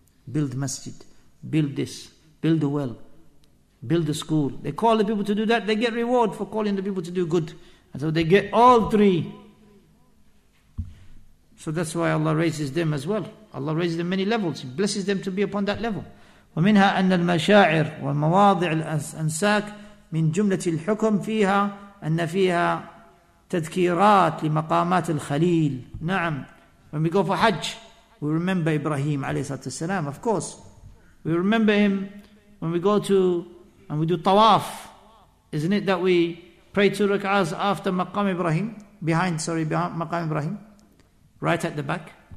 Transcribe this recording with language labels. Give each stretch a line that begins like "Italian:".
English: Build masjid. Build this. Build a well. Build a school. They call the people to do that. They get reward for calling the people to do good. And so they get all three. So that's why Allah raises them as well. Allah raises them many levels. He blesses them to be upon that level.
Arabic: ومنها أن المشاعر والمواضع الأنساك من جملة الحكم فيها أن فيها تذكيرات لمقامات الخليل. نعم.
English: When we go for Hajj, we remember Ibrahim عليه الصلاة والسلام. Of course, we remember him when we go to and we do tawaf. Isn't it that we pray two rak'ahs after Maqam Ibrahim? Behind Maqam Ibrahim, right at the back.